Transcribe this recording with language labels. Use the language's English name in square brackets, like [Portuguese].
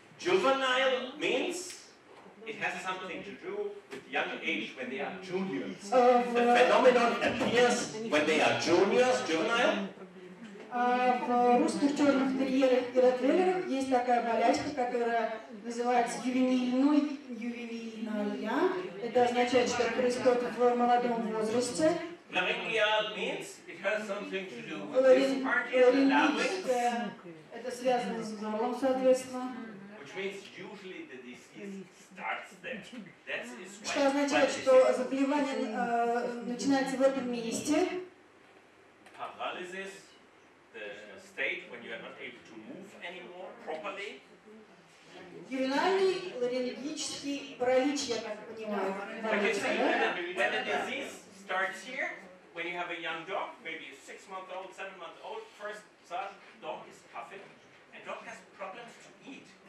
[English] Juvenile means it has something to do with young age when they are juniors. The phenomenon appears when they are juniors, juvenile. [Russian] В русских черных терьерах и ротвейлерах есть такая болячка, которая называется ювенильная. Это означает, что происходит в молодом возрасте. [English] Ларингия means it has something to do with this part of the larynx. [Russian] Это связано с горлом, соответственно. [English] Which means usually the disease starts there. That is why. [Russian] Что означает, что заболевание начинается в этом месте? [English] Paralysis, the state when you are not able to move anymore properly. [Russian] Ювенальный ларингический паралич, я так понимаю. [English] When the disease starts here, when you have a young dog, maybe a 6-month-old, 7-month-old, first such dog is coughing, and dog has problems to eat.